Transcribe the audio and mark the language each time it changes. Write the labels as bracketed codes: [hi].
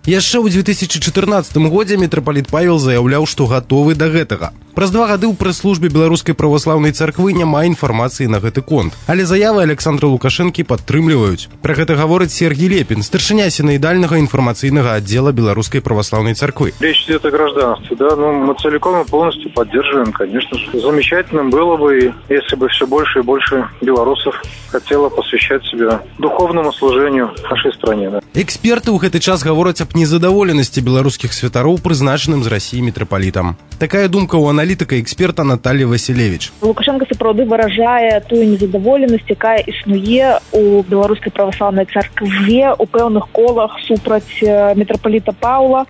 [be] Яшчэ ў 2014 годзе мітрапаліт Павел заяўляў, што гатовы да гэтага. Праз два гады ў прэс-службе беларускай праваслаўнай царквы няма інфармацыі на гэты конт. Але заявы Александра Лукашэнкі падтрымліваюць. Пра гэта гаворыць Сергій Лепін, старшыня сінаідальнага інфармацыйнага аддзела беларускай праваслаўнай царквы. [ru] Речь идет о гражданстве, да? Ну, мы целиком и полностью поддерживаем, конечно же. Замечательно было бы, если бы все больше и больше белорусов хотело посвящать себя духовному служению нашей стране. Да? [be] Эксперты ў гэты час гавораць аб незадаволенасці беларускіх святароў, прызначаным з Расіі мітрапалітам. Такая думка у аналітыка і эксперта Наталі Васілевіч. Лукашэнка сапраўды выражае тую незадаволенасць, якая існуе ў беларускай праваслаўнай царкве ў пэўных колах супраць мітрапаліта Паўла.